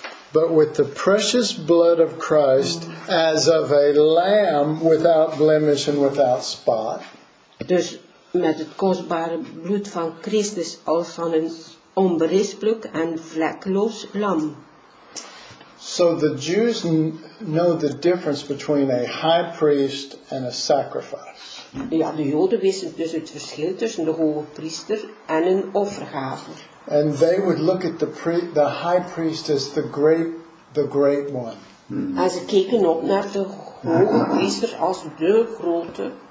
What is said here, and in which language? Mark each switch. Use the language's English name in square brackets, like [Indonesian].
[English] But with the precious blood of Christ, as of a lamb without blemish and without spot. [Dutch] Dus met het kostbare bloed van Christus als van een onberispelijk en vlekloos lam. [English] So the Jews know the difference between a high priest and a sacrifice. [Dutch] Ja, de Joden wisten dus het verschil tussen de hoge priester en een offergave. [English] And they would look at the high priest as the great one. [Dutch] As ze keken op naar de hoge priester als de grote.